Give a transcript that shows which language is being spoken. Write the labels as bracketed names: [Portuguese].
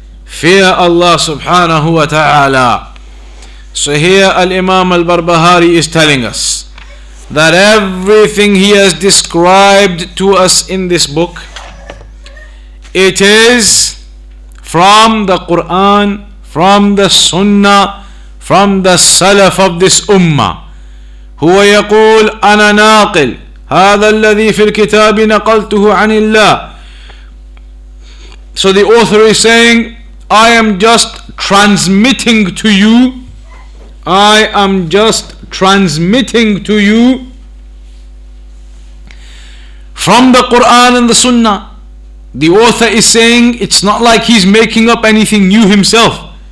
[English] Fear Allah subhanahu wa ta'ala. So here Al-Imam Al-Barbahari is telling us that everything he has described to us in this book, it is from the Quran, from the Sunnah, from the Salaf of this Ummah. [Arabic] Huwa yaqul ana naqil. هذا الذي في الكتاب نقلته عن الله. [English] So the author is saying, I am just transmitting to you, I am just transmitting to you from the Quran and the Sunnah. The author is saying, it's not like he's making up anything new himself.